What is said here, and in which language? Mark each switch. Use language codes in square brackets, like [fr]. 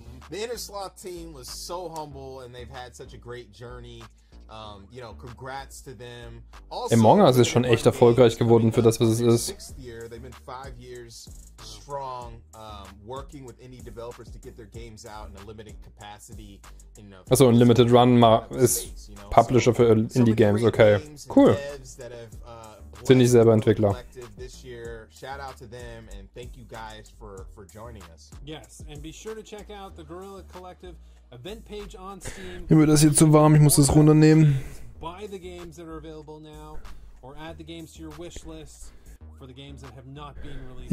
[en] The Inner Sloth team was so humble and they've had such a great journey. You know, congrats to them. [de] Also, Among Us ist schon echt erfolgreich geworden für das, was es ist. [en] They've been 5 years strong working with indie developers to get their games out in a limited capacity. [de] Also ein Limited Run ist Publisher für Indie Games, okay. Cool. Sind nicht selber Entwickler. [en] Shout out to them and thank you guys for joining us. Yes, and be sure to check out the Gorilla Collective event page on Steam. [de] Mir wird das hier zu warm, ich muss das runternehmen. [en] Buy the games that are available now or add the games to your wish list for the games that have not been released.